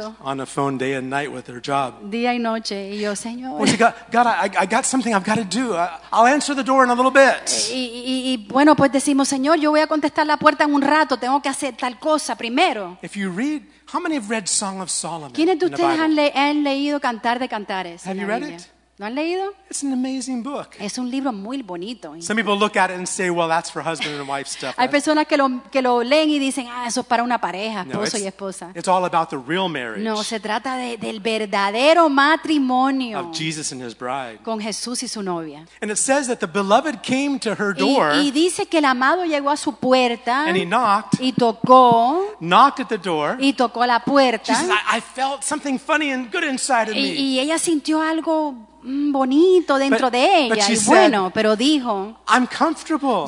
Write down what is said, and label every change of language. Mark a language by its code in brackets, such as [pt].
[en] She's on the phone day and night with her job. [es] Día y noche. Y yo, Señor. [en] Well, she got, "God, I got something I've got to do. I'll answer the door in a little bit." [es] Y bueno, pues decimos, "Señor, yo voy a contestar la puerta en un rato. Tengo que hacer tal cosa primero." [en] If you read, how many have read Song of Solomon? [es] ¿Quiénes de ustedes han leído Cantar de Cantares? [en] Have you read it? [es] ¿No han leído? [en] It's an amazing book. [es] Es un libro muy bonito. [en] Some people look at it and say, "Well, that's for husband and wife stuff." [es] Hay personas que lo leen y dicen, "Ah, eso es para una pareja, esposo y esposa." [en] It's all about the real marriage. [es] No, se trata del verdadero matrimonio. [en] Of Jesus and his bride. [es] Con Jesús y su novia. [en] And it says that the beloved came to her door. [es] Y dice que el amado llegó a su puerta. [en] And he knocked. [es] Y tocó. [en] Knocked at the door. [es] Y tocó la puerta. [en] She says, "I felt something funny and good inside of me." [es] Y ella sintió algo bonito dentro [en] but, [es] de ella y [en] said, [es] bueno, pero dijo, [en] "I'm comfortable.